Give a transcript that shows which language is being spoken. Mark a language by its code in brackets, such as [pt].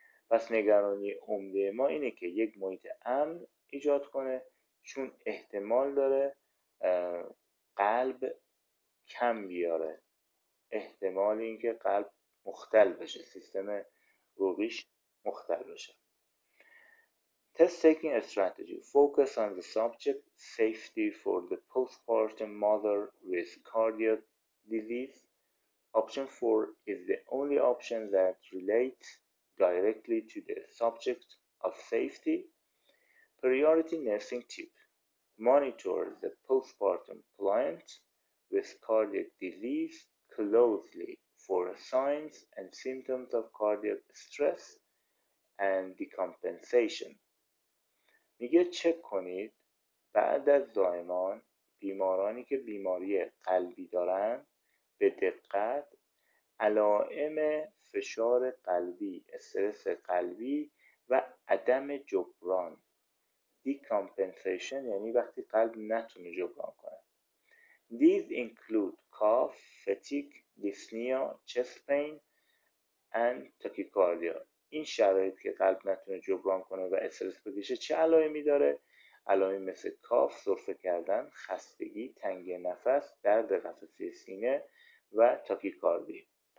[fa] پس نگرانی عمده ما اینه که یک محیط امن ایجاد کنه، چون احتمال داره قلب کم بیاره، احتمال اینکه قلب مختل بشه، سیستم روغیش مختل بشه. [en] Test taking strategy: focus on the subject safety for the postpartum mother with cardiac disease. Option 4 is the only option that relates directly to the subject of safety. Priority nursing tip: monitor the postpartum client with cardiac disease closely for signs and symptoms of cardiac stress and decompensation. [fa] میگه چک کنید بعد از زایمان بیمارانی که بیماری قلبی دارند به دقت علائم فشار قلبی، استرس قلبی و عدم جبران. decompensation یعنی وقتی قلب نتونه جبران کنه. [en] These include cough, fatigue, dyspnea, chest pain and tachycardia. [fa] این شرایط که قلب نتونه جبران کنه و استرس بکشه چه علائمی داره؟ علائمی مثل کاف، سرفه کردن، خستگی، تنگی نفس، درد قفسه سینه و تاکیکاردی.